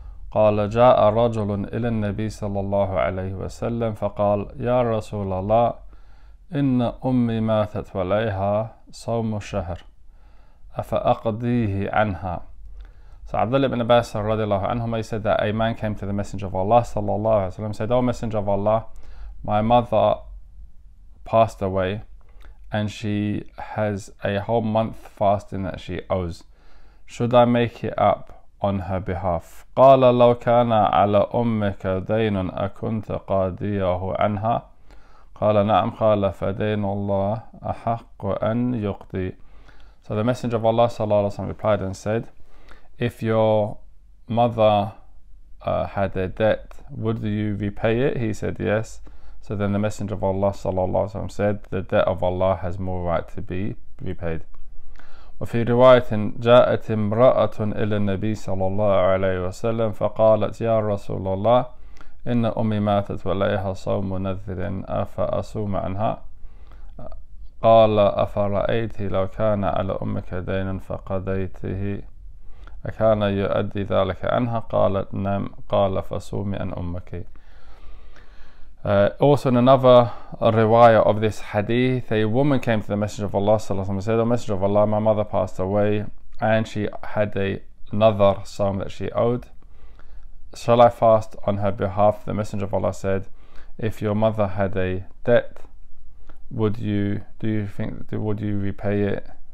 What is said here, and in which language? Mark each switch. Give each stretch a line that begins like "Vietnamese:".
Arabic: قال جاء رجل إلى النبي صلى الله عليه وسلم فقال يا رسول الله إن أمي ماتت وليها صوم الشهر أفأقضيه عنها.
English: So Abdullah ibn Abbas رضي الله عنهما, he said that a man came to the Messenger of Allah صلى الله عليه وسلم, said, O Messenger of Allah, my mother passed away and she has a whole month fasting that she owes. Should I make it up on her behalf?
Arabic: قال لو كان على أمك دين أكنت قاضيه عنها. قال نعم. قال فدين الله أحق أن يقضي.
English: So the Messenger of Allah صلى الله عليه وسلم replied and said, if your mother had a debt, would you repay it? He said yes. So then the Messenger of Allah صلى الله عليه وسلم said, the debt of Allah has more right to be repaid.
Arabic: وفي رواية جاءت امرأة إلى النبي صلى الله عليه وسلم فقالت يا رسول الله إن أمي ماتت وليها صوم نذر أفأصوم عنها. قال أفرأيت لو كان على أمك دين فقضيته أكان يؤدي ذلك عنها؟ قالت نعم. قال فصومي عن أمك.
English: Also in another riwayah of this hadith, a woman came to the Messenger of Allah sallallahu alaihi wasallam and said, O Messenger of Allah, my mother passed away and she had a nadhar, sum that she owed. Shall I fast on her behalf? The Messenger of Allah said, if your mother had a debt, would you repay it?